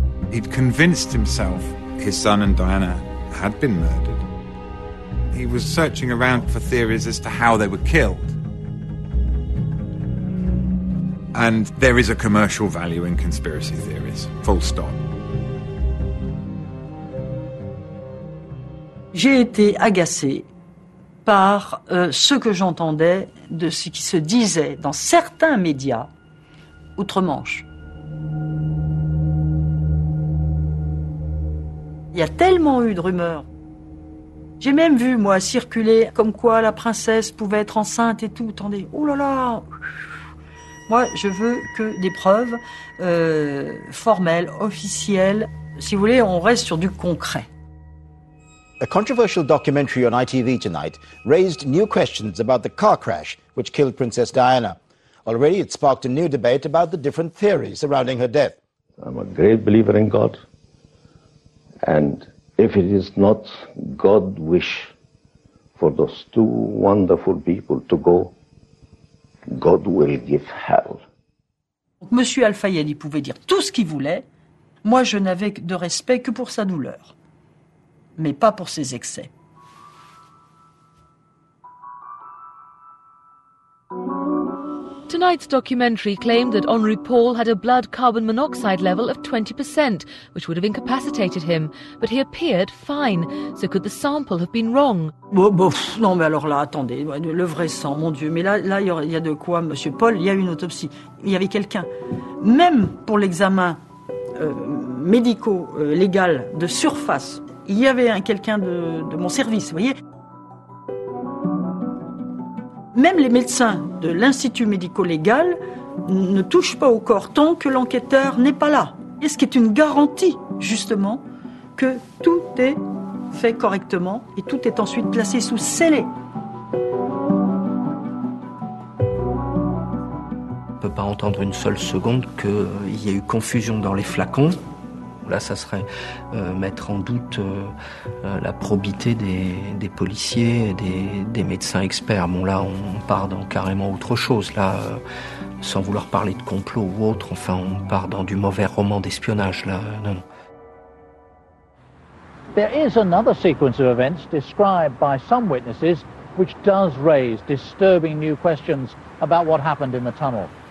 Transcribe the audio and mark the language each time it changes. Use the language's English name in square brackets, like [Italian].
[English] He'd convinced himself his son and Diana had been murdered. He was searching around for theories as to how they were killed. And there is a commercial value in conspiracy theories, full stop. [French] J'ai été agacée par ce que j'entendais de ce qui se disait dans certains médias outre-Manche. Il y a tellement eu de rumeurs. J'ai même vu, moi, circuler comme quoi la princesse pouvait être enceinte et tout. Attendez, oh là là! Moi, je veux que des preuves formelles, officielles. Si vous voulez, on reste sur du concret. [English] A controversial documentary on ITV tonight raised new questions about the car crash which killed Princess Diana. Already, it sparked a new debate about the different theories surrounding her death. I'm a great believer in God. And if it is not God's wish for those two wonderful people to go, God will give hell. [French] Monsieur Al-Fayed, il pouvait dire tout ce qu'il voulait. Moi, je n'avais de respect que pour sa douleur. Mais pas pour ses excès. [English] Tonight's documentary claimed that Henri Paul had a blood carbon monoxide level of 20%, which would have incapacitated him. But he appeared fine, so could the sample have been wrong? [French] Non, mais alors là, attendez, le vrai sang, mon Dieu. Mais là, il y a de quoi, Monsieur Paul, il y a une autopsie. Il y avait quelqu'un. Même pour l'examen médico-légal de surface, il y avait quelqu'un de mon service, vous voyez. Même les médecins de l'Institut médico-légal ne touchent pas au corps tant que l'enquêteur n'est pas là. Et ce qui est une garantie, justement, que tout est fait correctement et tout est ensuite placé sous scellé. On ne peut pas entendre une seule seconde qu'il y ait eu confusion dans les flacons. Là, ça serait mettre en doute la probité des policiers et des médecins experts. Bon, là, on part dans carrément autre chose. Là, sans vouloir parler de complot ou autre, enfin, on part dans du mauvais roman d'espionnage. Là, non. [English] There is another sequence of events described by some witnesses which does raise disturbing new questions about what happened in the tunnel.